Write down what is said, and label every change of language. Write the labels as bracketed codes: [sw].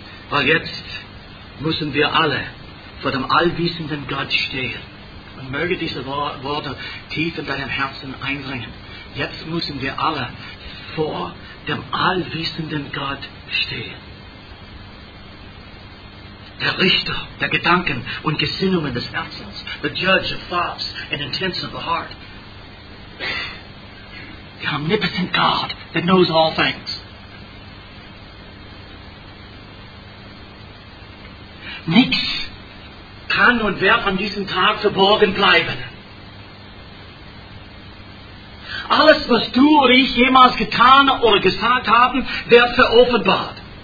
[de] Weil jetzt müssen wir alle vor dem allwissenden Gott stehen. Und möge diese Worte tief in deinem Herzen eindringen. Jetzt müssen wir alle vor dem allwissenden Gott stehen. Der Richter der Gedanken und Gesinnungen des Herzens. [en] The judge of thoughts and intents of the heart. The omnipotent God that knows all things. [de] Nichts kann und wird an diesem Tag verborgen bleiben. Alles, was du oder ich jemals getan oder gesagt haben, wird veroffenbart.